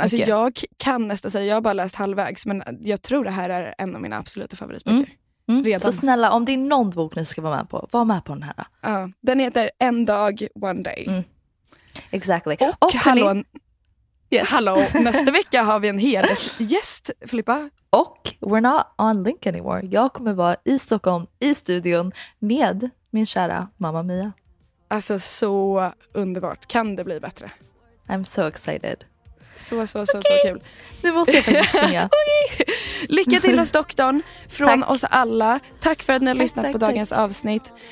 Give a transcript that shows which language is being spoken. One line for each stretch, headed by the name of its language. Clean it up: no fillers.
Swedish: Alltså jag kan nästan säga, jag har bara läst halvvägs, men jag tror det här är en av mina absoluta favoritböcker. Så snälla, om det är någon bok ni ska vara med på, var med på den här. Den heter En dag, One Day.
English: Exactly.
Swedish: Och hallå, hallå, nästa vecka har vi en hel gäst, Filippa.
English: Och we're not on link anymore.
Swedish: Jag kommer vara i Stockholm, i studion, med min kära mamma Mia. Alltså så underbart. Kan det bli bättre?
English: I'm so excited.
Swedish: Så kul. Nu måste jag faktiskt springa. Lycka till hos doktorn från oss alla. Tack för att ni har lyssnat på dagens avsnitt.